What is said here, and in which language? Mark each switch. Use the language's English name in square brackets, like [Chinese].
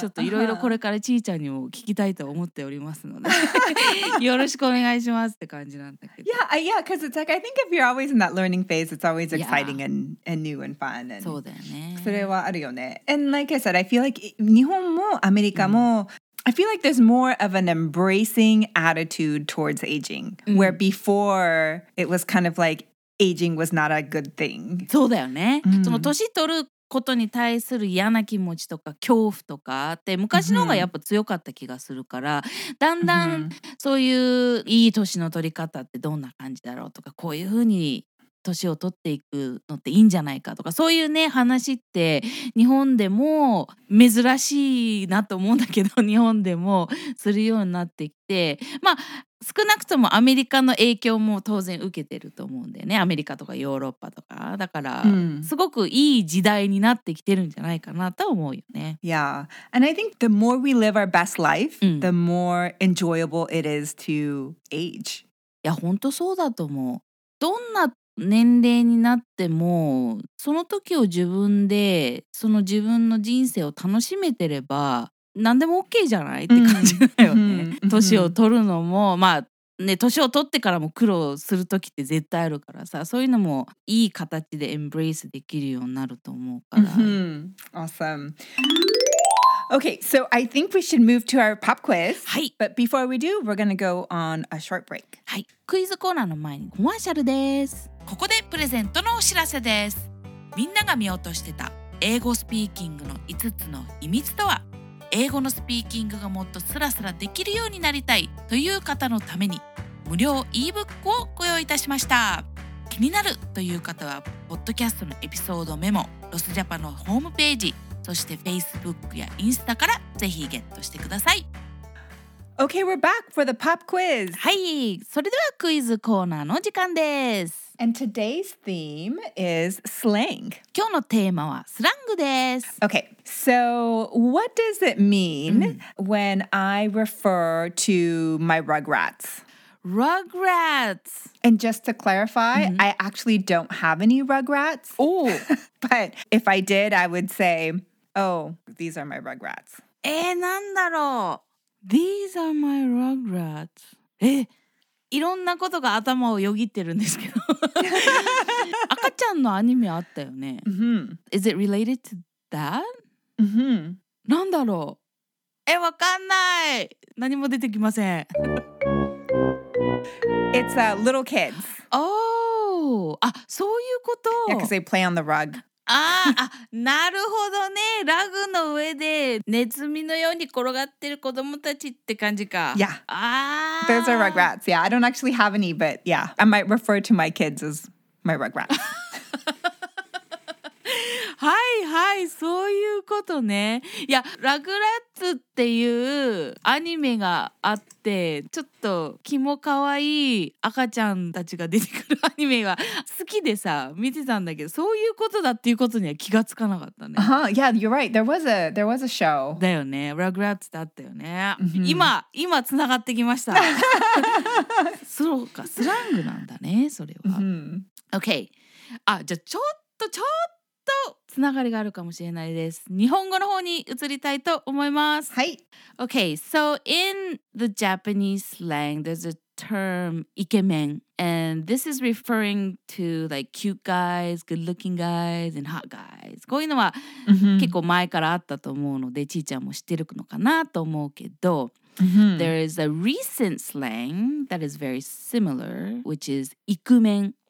[Japanese] ちょっといろいろこれからちーちゃんにも聞きたいと思っておりますので、よろしくお願いしますって感じなんだけど。 [English] Yeah, yeah, because it's like I think if you're always in that learning phase, it's always exciting、yeah. and new and fun. And [Japanese] そうだよね。それはあるよね。 [English] And like I said, I feel like [Japanese] 日本もアメリカも、 [English] I feel like there's more of an embracing attitude towards aging, where before it was kind of like aging was not a good thing. [Japanese] そうだよね。その年取ることに対する嫌な気持ちとか恐怖とかって昔の方がやっぱ強かった気がするから、だんだんそういういい年の取り方ってどんな感じだろうとか、こういうふうに年を取っていくのっていいんじゃないかとか、そういうね話って日本でも珍しいなと思うんだけど、日本でもするようになってきて、まあ少なくともアメリカの影響も当然受けてると思うんだよね、アメリカとかヨーロッパとか。だから、うん、すごくいい時代になってきてるんじゃないかなと思うよね。 [English] Yeah, and I think the more we live our best life、うん、the more enjoyable it is to age. [Japanese] いや本当そうだと思う。どんな年齢になってもその時を自分でその自分の人生を楽しめてれば何でも OK じゃないって感じだよね。年、mm-hmm. を取るのも、まあね、年を取ってからも苦労する時って絶対あるからさ、そういうのもいい形でエンブレイスできるようになると思うから。 [English] Mm-hmm. Awesome. Okay, so I think we should move to our pop quiz. [Japanese] はい。 [English] But before we do, we're gonna go on a short break. [Japanese] はい。クイズコーナーの前にコマーシャルです。ここでプレゼントのお知らせです。みんなが見落としてた英語スピーキングの5つの秘密とは、英語のスピーキングがもっとスラスラできるようになりたいという方のために無料 e-book をご用意いたしました。気になるという方はポッドキャストのエピソードメモ、ロスジャパのホームページ、そして Facebook やインスタからぜひゲットしてください。 [English] Okay, we're back for the pop quiz. [Japanese] はい、それではクイズコーナーの時間です。 [English] And today's theme is slang. [Japanese] 今日のテーマはスラングです。 [English] Okay. So, what does it mean、mm. when I refer to my rugrats? Rugrats! And just to clarify,、mm-hmm. I actually don't have any rugrats. Oh! But if I did, I would say, oh, these are my rugrats. [Japanese] なんだろう? [English] These are my rugrats. [Japanese] いろんなことが頭をよぎってるんですけど。赤ちゃんのアニメあったよね。 Mm-hmm. [English] Is it related to that? Mm-hmm. [Japanese] なんだろう。わかんない。何も出てきません。 [English] It's、little kids. [Japanese] Oh, あ、そういうこと。 [English] Yeah, because they play on the rug. [Japanese] あ、なるほどね。ラグの上でネズミのように転がってる子供たちって感じか。 [English] Yeah. あ、 Those are rugrats. Yeah, I don't actually have any, but yeah, I might refer to my kids as my rugrats. [Japanese] はいはい、そういうことね。いや、ラグラッツっていうアニメがあって、ちょっとキモかわいい赤ちゃんたちが出てくるアニメが好きでさ、見てたんだけど、そういうことだっていうことには気がつかなかったね。 [English] Uh-huh. Yeah, you're right. There was a show. [Japanese] だよね、ラグラッツだったよね。 Mm-hmm. 今つながってきました。そうか、スラングなんだね、それは。 Mm-hmm. Okay. あ、じゃあちょっとつながりがあるかもしれないです。日本語の方に移りたいと思います。はい。 [English] Okay, so in the Japanese slang, there's a term イケメン。 And this is referring to like cute guys, good looking guys, and hot guys. [Japanese] こういうのは、mm-hmm. 結構前からあったと思うので、ちーちゃんも知ってるのかなと思うけど、 mm-hmm. [English] There is a recent slang that is very similar, which is イクメン。